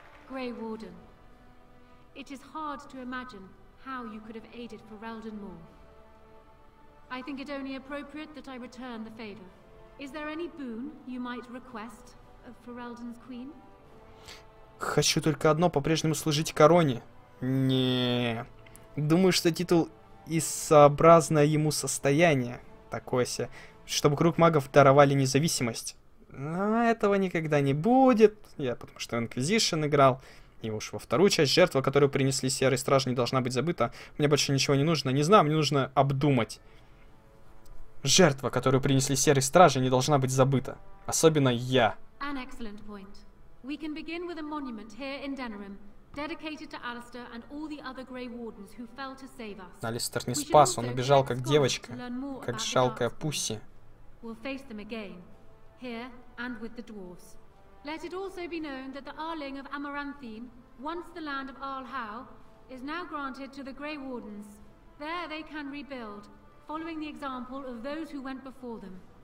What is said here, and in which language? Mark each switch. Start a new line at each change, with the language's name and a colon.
English: Grey Warden, it is hard to imagine how you could have aided Ferelden Moor. I think it only appropriate that I return the favor. Is there any boon you might request of Ferelden's queen?
Russian: Хочу только одно, по-прежнему служить короне. Не, думаю, что титул и сообразно ему состояние. Такое себе. Чтобы круг магов даровали независимость. Но этого никогда не будет. Я потому что Инквизишн играл. И уж во вторую часть жертва, которую принесли Серый Страж, не должна быть забыта. Мне больше ничего не нужно. Не знаю, мне нужно обдумать. Жертва, которую принесли Серый Страж, не должна быть забыта. Особенно я.
English: An excellent point. We can begin with a monument here in Denerim, dedicated to Alistair and all the other Grey Wardens who fell to save us.
Russian: Алистер не спас, он убежал как девочка, как жалкая пусси.
English: We'll face them again, here and with the dwarves. Let it also be known that the Arling of Amaranthine, once the land of Arl Howe, is now granted to the Grey Wardens. There they can rebuild, following the example of those who went before them.